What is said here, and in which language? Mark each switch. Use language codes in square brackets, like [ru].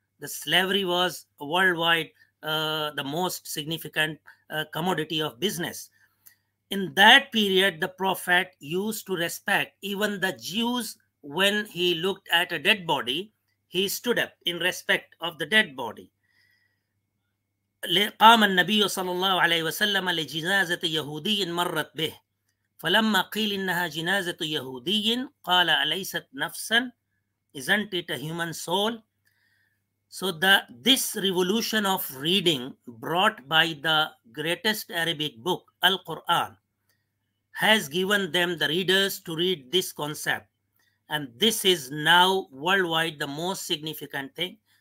[en] The slavery was worldwide the most significant commodity of business. In that period, the prophet used to respect even the Jews. When he looked at a dead body, he stood up in respect of the dead body. [ar] قام النبي صلى الله عليه وسلم لجنازة يهودي مرت به فلما قيل إنها جنازة يهودي قال أليست نفسا. [en] Isn't it a human soul? So this revolution of reading brought by the greatest Arabic book, Al-Quran, has given them, the readers, to read this concept. And this is now worldwide the most significant thing.